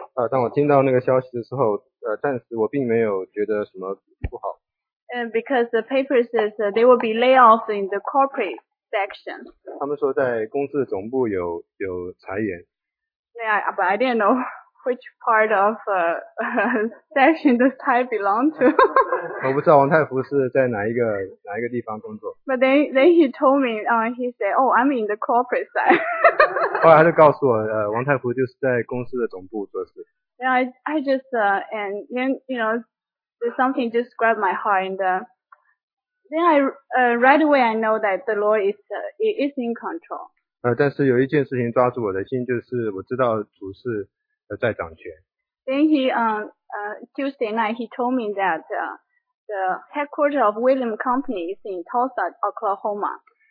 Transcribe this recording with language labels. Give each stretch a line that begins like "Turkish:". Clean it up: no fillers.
Chinese: 当我听到那个消息的时候，暂时我并没有觉得什么不好。
English: Because the paper says there will be layoffs in the corporate section.
Chinese: 他们说在公司总部有裁员。
English: Yeah, but I didn't know which part of section does Ty belong to.
Chinese: 我不知道王太福是在哪一个地方工作。
English: But then he told me, he said, oh, I'm in the corporate side.
Chinese: 后来他就告诉我，王太福就是在公司的总部做事。
English: Yeah, I just, and then, you know,something just grabbed my heart, and then I right away I know that the Lord is in control.
Chinese: 但是有一件事情抓住我的心，就是我知道主是在掌权。
English: Then he Tuesday night he told me that the headquarters of William Company is in Tulsa, Oklahoma.